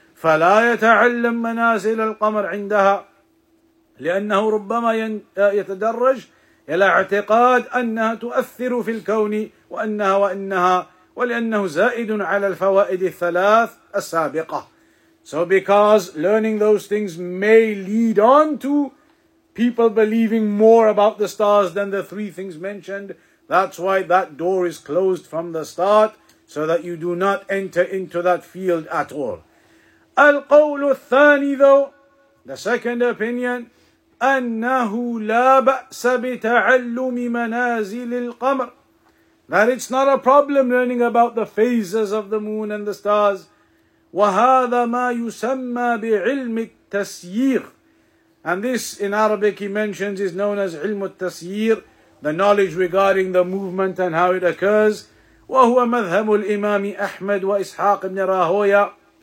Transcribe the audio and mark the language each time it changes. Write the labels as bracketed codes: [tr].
[ar] فَلَا يَتَعَلَّمْ مَنَازِلَ الْقَمَرْ عِنْدَهَا لِأَنَّهُ رُبَّمَا يَتَدَرَّجْ إِلَى اعْتِقَاد أَنَّهَا تُؤَثِّرُ فِي الْكَوْنِ وَأَنَّهَا وَلِأَنَّهُ زَائِدٌ عَلَى الْفَوَائِدِ الثَّلَاثِ السَّابِقَةِ. [en] So because learning those things may lead on to people believing more about the stars than the three things mentioned, that's why that door is closed from the start, so that you do not enter into that field at all. [ar] القول الثاني [en] though, the second opinion, [ar] أنه لا بأس بتعلم منازل القمر. [en] That it's not a problem learning about the phases of the moon and the stars. [ar] وهذا ما يسمى بعلم التسيير. [en] And this in Arabic he mentions is known as علم التسيير, the knowledge regarding the movement and how it occurs. [ar] وهو مذهب الإمام أحمد وإسحاق بن راهويا.